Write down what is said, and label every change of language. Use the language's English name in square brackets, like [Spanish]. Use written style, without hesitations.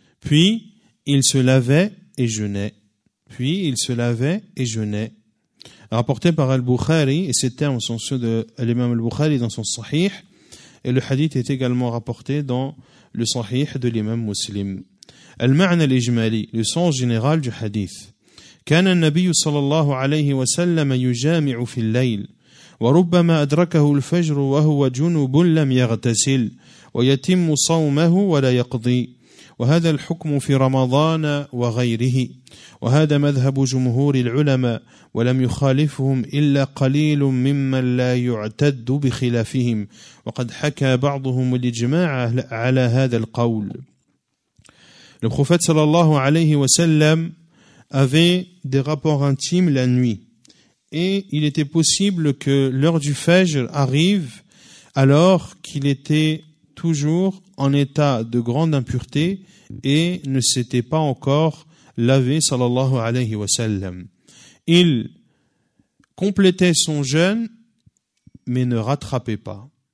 [French] Puis il se lavait et jeûnait. Puis il se lavait et jeûnait. Rapporté par Al-Bukhari, et ces termes sont ceux de l'imam Al-Bukhari dans son Sahih, et le hadith est également rapporté dans le Sahih de l'imam Muslim. Al-Ma'na al-Ijmali, le sens général du hadith. [Arabic] كان النبي صلى الله عليه وسلم يجامع في الليل وربما أدركه الفجر وهو جنب لم يغتسل ويتم صومه ولا يقضي وهذا الحكم في رمضان وغيره وهذا مذهب جمهور العلماء ولم يخالفهم إلا قليل ممن لا يعتد بخلافهم وقد حكى بعضهم الإجماع على هذا القول [French] le prophète [Arabic] sallallahu alayhi wa sallam [French] avait des rapports intimes la nuit et il était possible que l'heure du fajr arrive alors qu'il était toujours en état de grande impureté et ne s'était pas encore lavé, sallallahu alayhi wa sallam. Il complétait son jeûne, mais ne rattrapait pas.